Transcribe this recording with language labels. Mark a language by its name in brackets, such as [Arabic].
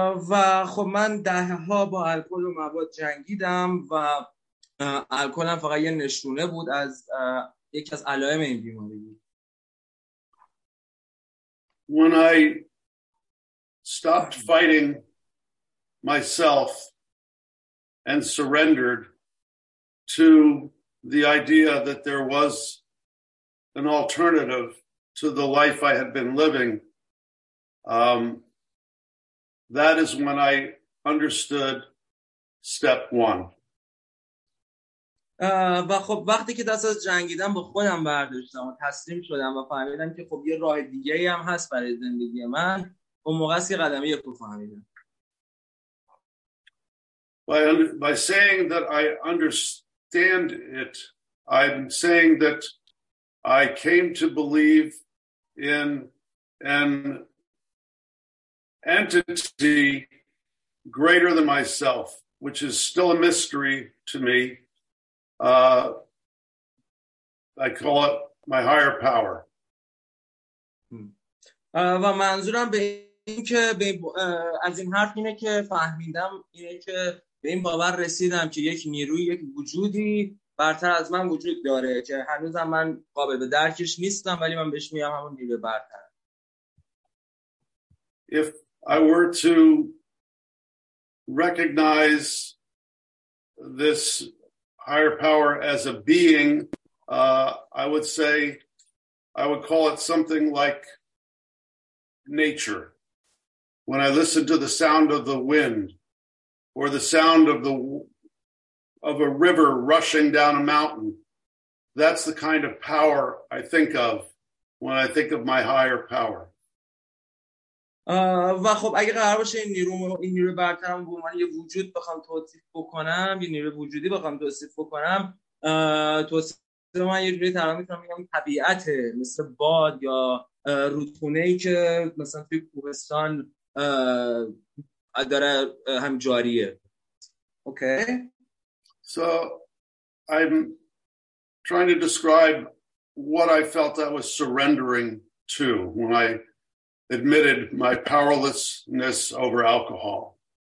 [Persian] و خب من دهها با الکل و مواد جنگیدم و الکل هم فقط یه نشونه بود از یکی از علائم این بیماری. [English] When I stopped fighting myself and surrendered to the idea that there was an alternative to the life I had been living, that is when I understood step one. [Persian] و خب وقتی که دست از جنگیدن با خودم برداشتم و تسلیم شدم و فهمیدم که خب یه راه دیگه ای هم هست برای زندگی من، اون موقع است که قدم یک رو فهمیدم. [English] By saying that I understand it, I'm saying that I came to believe in an entity greater than myself, which is still a mystery to me. I call it my higher power. [Persian] و منظورم به این که از این حرف اینه که فهمیدم اینه که به این باور رسیدم که یک نیروی، یک وجودی برتر از من وجود داره که هنوزم من قابل به درکش نیستم، ولی من بهش میگم همون نیروی برتر. [English] If I were to recognize this higher power as a being, I would say, I would call it something like nature. When I listen to the sound of the wind or the sound of a river rushing down a mountain, that's the kind of power I think of when I think of my higher power. [Persian] و خب اگه قرار باشه این نیرو برترم به عنوان یه وجود بخوام توصیف بکنم، یه نیرو وجودی بخوام توصیف بکنم، توصیف من یه جوری ترجمه میتونم بگم طبیعت، مثل باد یا رودخونه ای که مثلا توی کوهستان داره هم جاریه. اوکی. [English] So I'm trying to describe what I felt I was surrendering to when I admitted my powerlessness over alcohol.